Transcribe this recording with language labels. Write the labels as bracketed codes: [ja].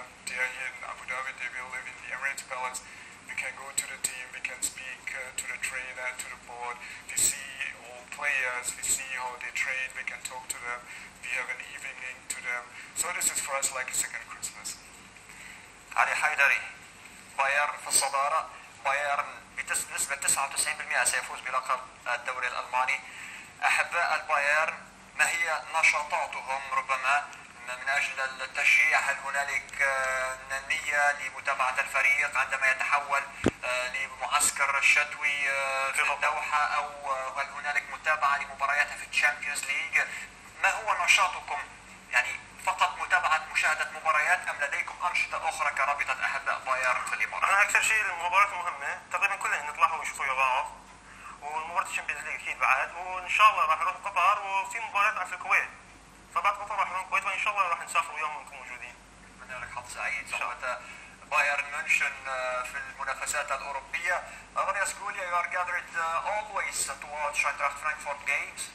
[en] They are here in Abu Dhabi. They will live in the Emirates Palace. We can go to the team. We can speak to the trainer, to the board. We see all players. We see how they train. We can talk to them. We have an evening to them. So this is for us like a second Christmas. [ar] علي حيدري بايرن في الصدارة. بايرن بنسبة 99% سيفوز بلقب الدوري الألماني. أحباء البايرن ما هي نشاطاتهم ربما من أجل التشجيع؟ هل هنالك نية لمتابعة الفريق عندما يتحول لمعسكر الشتوي في الدوحة أو هل هنالك متابعة لمبارياته في الشامبيونز ليج؟ ما هو نشاطكم؟ يعني فقط متابعة مشاهدة مباريات أم لديكم أنشطة أخرى كرابطة أحباء بايرن في الإمارات؟ أنا أكثر شيء المباريات المهمة تقريبا كلها نطلعها ونشوفها ويا بعض ومباراة الشامبيونز ليج أكيد بعد وإن شاء الله راح نروح قطر وفي مباريات في الكويت فبعد قطر راح نروح الكويت وإن شاء الله راح نسافر وياهم ونكون موجودين. أتمنى لك حظ سعيد صحبة بايرن ميونخ في المنافسات الأوروبية. [en] Andreas كوليا you are gathered always to watch Eintracht Frankfurt games.